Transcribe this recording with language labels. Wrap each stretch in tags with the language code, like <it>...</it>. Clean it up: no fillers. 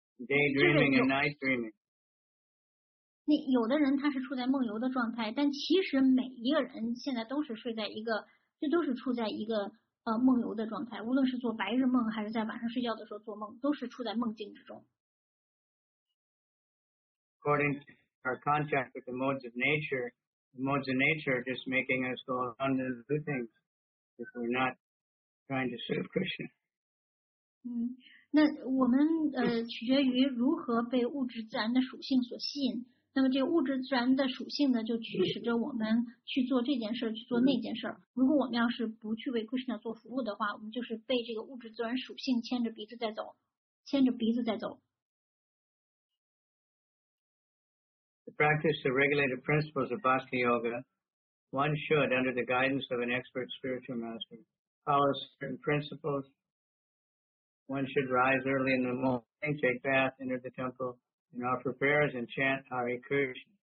<en>Daydreaming and night dreaming.</en> <zh>那有的人他是处在梦游的状态，但其实每一个人现在都是睡在一个，这都是处在一个梦游的状态，无论是做白日梦还是在晚上睡觉的时候做梦，都是处在梦境之中。</zh> <en>According to our contact with the modes of nature, modes of nature just making us go on to do things if we're not trying to serve Krishna.</en> <zh>那我们取决于如何被物质自然的属性所吸引。那么这物质自然的属性呢，就驱使着我们去做这件事儿，去做那件事儿。如果我们要是不去为 Krishna 做服务的话，我们就是被这个物质自然属性牵着鼻子在走，牵着鼻子在走。</zh> <en>To practice the regulated principles of Bhakti Yoga, one should, under the guidance of an expert spiritual master, follow certain principles. One should rise early in the morning, take bath, enter the temple, and offer prayers and chant Hare Krishna.</en>